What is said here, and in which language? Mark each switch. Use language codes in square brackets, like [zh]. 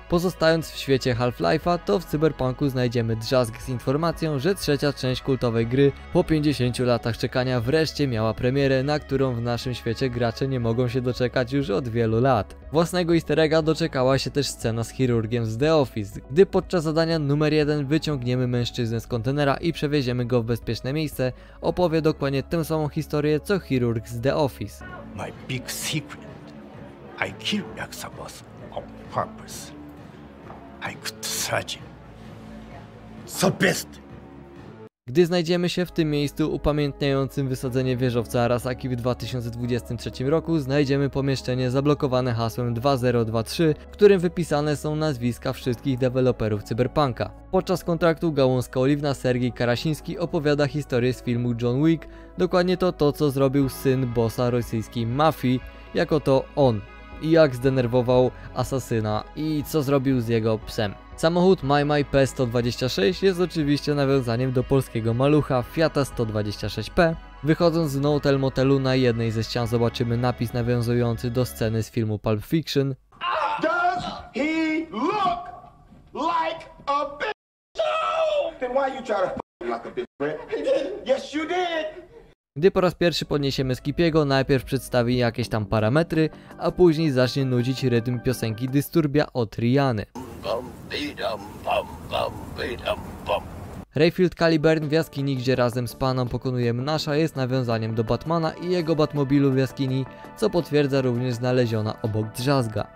[pl] Pozostając w świecie Half-Life'a, to w Cyberpunku znajdziemy drzazg z informacją, że trzecia część kultowej gry po 50 latach czekania wreszcie miała premierę, na którą w naszym świecie gracze nie mogą się doczekać już od wielu lat. Własnego easter egga doczekała się też scena z chirurgiem z The Office, gdy podczas zadania numer 1 wyciągniemy mężczyznę z kontenera i przewieziemy go w bezpieczne miejsce, opowie dokładnie tę samą historię co chirurg z The Office. [en] My big secret. I killed Maximus on purpose. I could search him. So best. [pl] Gdy znajdziemy się w tym miejscu upamiętniającym wysadzenie wieżowca Arasaki w 2023 roku, znajdziemy pomieszczenie zablokowane hasłem 2023, w którym wypisane są nazwiska wszystkich deweloperów Cyberpunka. Podczas kontraktu gałązka oliwna Sergiej Karasiński opowiada historię z filmu John Wick, dokładnie to co zrobił syn bossa rosyjskiej mafii, jako to on, i jak zdenerwował asasyna i co zrobił z jego psem. Samochód MyMy P126 jest oczywiście nawiązaniem do polskiego malucha Fiata 126P. Wychodząc z Notel Motelu, na jednej ze ścian zobaczymy napis nawiązujący do sceny z filmu Pulp Fiction. [en] Does he look like a bitch? Then why you try to f*** him like a bitch, man? He didn't. Yes, you did. [pl] Gdy po raz pierwszy podniesiemy Skipiego, najpierw przedstawi jakieś tam parametry, a później zacznie nudzić rytm piosenki Disturbia od Rihanny. Rayfield Caliburn w jaskini, gdzie razem z panem pokonuje Mnasha, jest nawiązaniem do Batmana i jego Batmobilu w jaskini, co potwierdza również znaleziona obok drzazga.